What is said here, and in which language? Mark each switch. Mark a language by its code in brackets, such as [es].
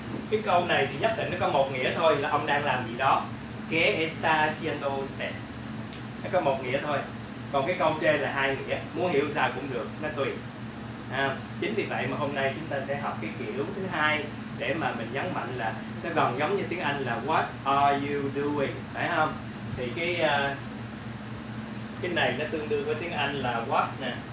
[vi] Cái câu này thì nhất định nó có một nghĩa thôi, là ông đang làm gì đó. [es] ¿Qué está haciendo usted? [vi] Nó có một nghĩa thôi. Còn cái câu trên là hai nghĩa, muốn hiểu sao cũng được, nó tùy. Chính vì vậy mà hôm nay chúng ta sẽ học cái kiểu thứ hai để mà mình nhấn mạnh là nó gần giống như tiếng Anh là [en] what are you doing, [vi] phải không? Thì cái này nó tương đương với tiếng Anh là what nè.